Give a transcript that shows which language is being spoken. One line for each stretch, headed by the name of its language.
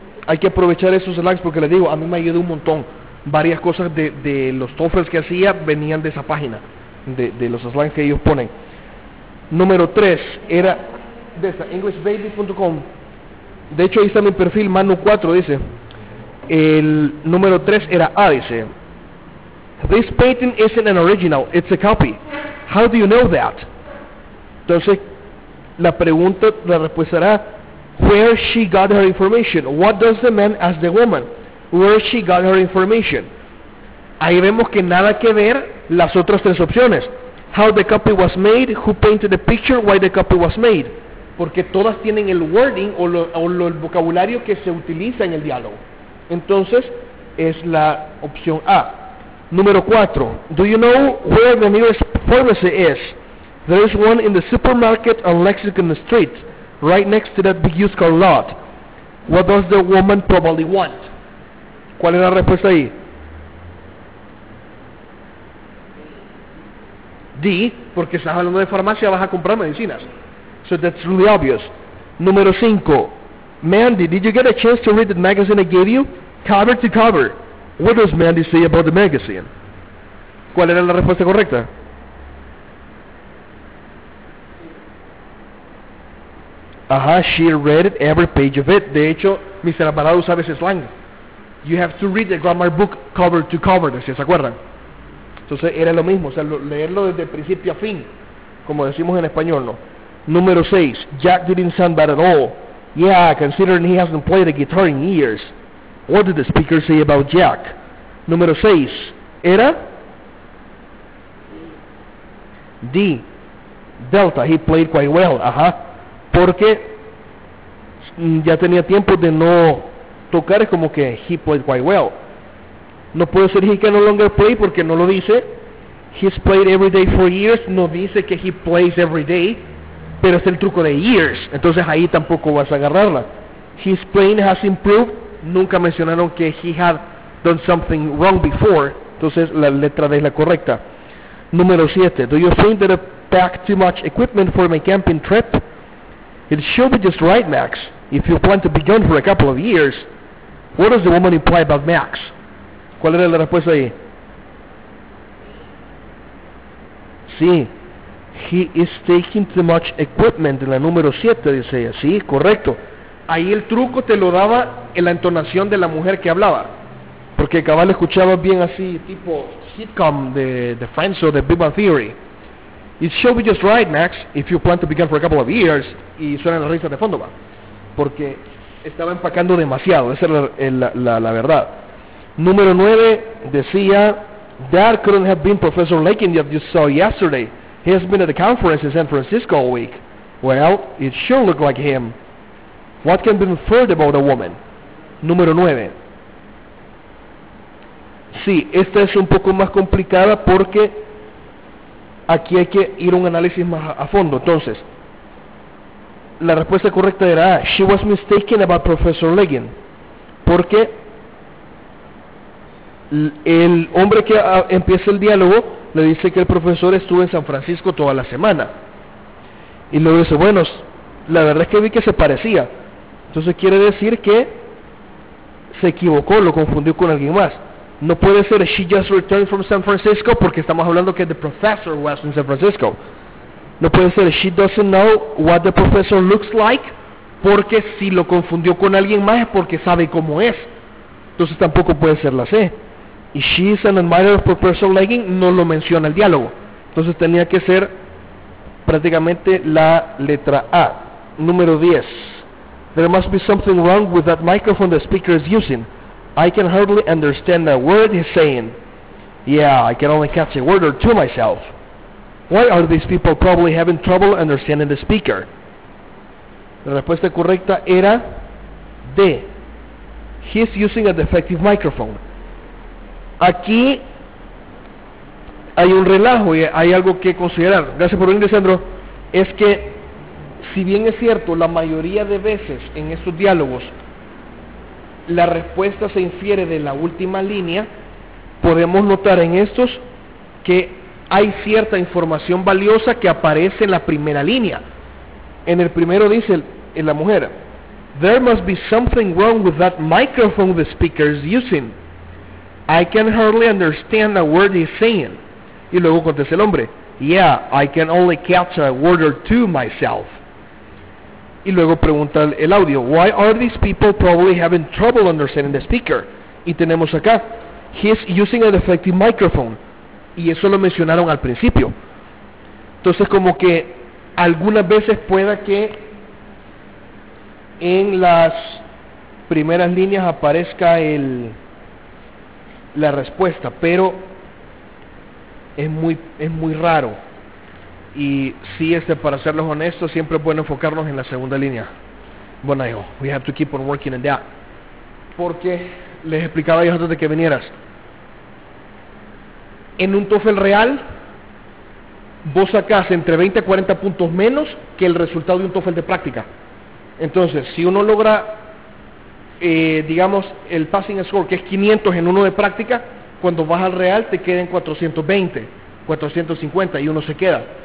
Spanish: hay que aprovechar esos slides, porque les digo, a mí me ayudó un montón. Varias cosas de los TOEFLs que hacía venían de esa página, de los slides que ellos ponen. Número 3 era de esta, englishbaby.com. De hecho, ahí está mi perfil, Manu 4, dice. El número 3 era A, dice.
English: This painting isn't an original, it's a copy. How do you know that?
Spanish: Entonces, la pregunta, la respuesta era,
English: where she got her information? What does the man ask the woman? Where she got her information?
Spanish: Ahí vemos que nada que ver las otras tres opciones.
English: How the copy was made, who painted the picture, why the copy was made.
Spanish: Porque todas tienen el wording o el vocabulario que se utiliza en el diálogo. Entonces, es la opción A. Número 4.
English: Do you know where the nearest pharmacy is? There is one in the supermarket on Lexington Street, right next to that big used car lot. What does the woman probably want?
Spanish: ¿Cuál es la respuesta ahí? D, porque estás hablando de farmacia, vas a comprar medicinas.
English: So that's really obvious.
Spanish: Número 5.
English: Mandy, did you get a chance to read the magazine I gave you? Cover to cover. What does Mandy say about the magazine?
Spanish: ¿Cuál era la respuesta correcta?
English: Ajá, she read every page of it.
Spanish: De hecho, Mr. Alvarado sabe ese slang.
English: You have to read the grammar book cover to cover,
Spanish: ¿se acuerdan? Entonces era lo mismo, o sea, leerlo desde principio a fin, como decimos en español, ¿no?
English: Número 6, Jack didn't sound bad at all. Yeah, considering he hasn't played a guitar in years. What did the speaker say about Jack?
Spanish: Número 6, ¿era?
English: D, Delta, he played quite well, ajá.
Spanish: Porque ya tenía tiempo de no tocar, es como que
English: he played quite well.
Spanish: No puedo decir
English: he can no longer play
Spanish: porque no lo dice.
English: He's played every day for years,
Spanish: no dice que
English: he plays every day,
Spanish: pero es el truco de years, entonces ahí tampoco vas a agarrarla.
English: His playing has improved,
Spanish: nunca mencionaron que
English: he had done something wrong before,
Spanish: entonces la letra D es la correcta.
English: Número 7, do you think that I packed too much equipment for my camping trip? It should be just right, Max, if you plan to be gone for a couple of years. What does the woman imply about Max?
Spanish: ¿Cuál era la respuesta ahí? Sí,
English: he is taking too much equipment,
Spanish: en la número 7, dice ella. Sí, correcto. Ahí el truco te lo daba en la entonación de la mujer que hablaba. Porque cabal escuchaba bien así, tipo sitcom de Friends o de Big Bang Theory.
English: It should be just right, Max, if you plan to begin for a couple of years.
Spanish: Y suena la risa de fondo, va. Porque estaba empacando demasiado, esa era la verdad. Número 9 decía,
English: that couldn't have been Professor Lakin that you saw yesterday. He has been at a conference in San Francisco all week. Well, it sure looked like him. What can be inferred about a woman?
Spanish: Número 9. Sí, esta es un poco más complicada porque aquí hay que ir un análisis más a fondo. Entonces, la respuesta correcta era A.
English: She was mistaken about Professor Legan.
Spanish: Porque el hombre que empieza el diálogo le dice que el profesor estuvo en San Francisco toda la semana. Y luego dice, bueno, la verdad es que vi que se parecía. Entonces quiere decir que se equivocó, lo confundió con alguien más. No puede ser
English: she just returned from San Francisco,
Spanish: porque estamos hablando que
English: the professor was in San Francisco.
Spanish: No puede ser
English: she doesn't know what the professor looks like,
Spanish: porque si lo confundió con alguien más es porque sabe cómo es. Entonces tampoco puede ser la C. Y
English: she is an admirer of Professor Legging,
Spanish: no lo menciona el diálogo. Entonces tenía que ser prácticamente la letra A. Número 10.
English: There must be something wrong with that microphone the speaker is using. I can hardly understand a word he's saying. Yeah, I can only catch a word or two myself. Why are these people probably having trouble understanding the speaker?
Spanish: La respuesta correcta era D.
English: He's using a defective microphone.
Spanish: Aquí hay un relajo y hay algo que considerar. Gracias por venir, Sandro. Es que, si bien es cierto, la mayoría de veces en estos diálogos la respuesta se infiere de la última línea, podemos notar en estos que hay cierta información valiosa que aparece en la primera línea. En el primero dice la mujer,
English: There must be something wrong with that microphone the speaker is using. I can hardly understand a word he's saying.
Spanish: Y luego contesta el hombre,
English: yeah, I can only catch a word or two myself.
Spanish: Y luego pregunta el audio,
English: why are these people probably having trouble understanding the speaker?
Spanish: Y tenemos acá,
English: he's using a defective microphone.
Spanish: Y eso lo mencionaron al principio. Entonces como que algunas veces pueda que en las primeras líneas aparezca el la respuesta, pero es muy raro. Y sí, para serles honestos, siempre es bueno enfocarnos en la segunda línea.
English: Bueno, we have to keep on working in that.
Spanish: Porque les explicaba yo antes de que vinieras. En un TOEFL real, vos sacás entre 20 a 40 puntos menos que el resultado de un TOEFL de práctica. Entonces, si uno logra, digamos, el passing score, que es 500 en uno de práctica, cuando vas al real te quedan 420, 450 y uno se queda.